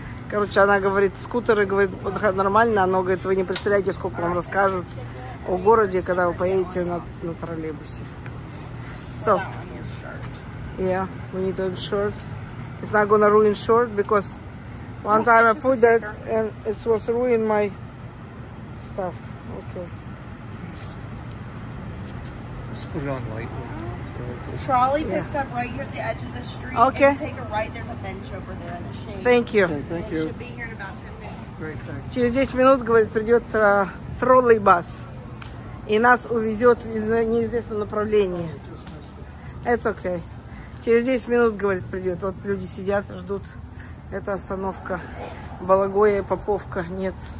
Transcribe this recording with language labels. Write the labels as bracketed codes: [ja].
[ru] Короче, она говорит, скутеры, говорит, нормально. Она говорит, вы не представляете, сколько вам расскажут о городе, когда вы поедете на троллейбусе. [en] So. Yeah, we need a shirt. It's not gonna ruin shirt because one time I put that and it was ruin my stuff. Okay. Just put it on lightly. Trolley picks up right here at the edge of the street. Okay. And take a right, there's a bench over there in the shade. Thank you. Okay, thank you. It should be here in about 10 minutes. Great, thanks. [ru] Через 10 минут, говорит, придет троллейбус. И нас увезет в неизвестном направлении. [en] It's okay. [ru] Через 10 минут, говорит, придет. Вот люди сидят, ждут. Это остановка Балагоя и Поповка. Нет.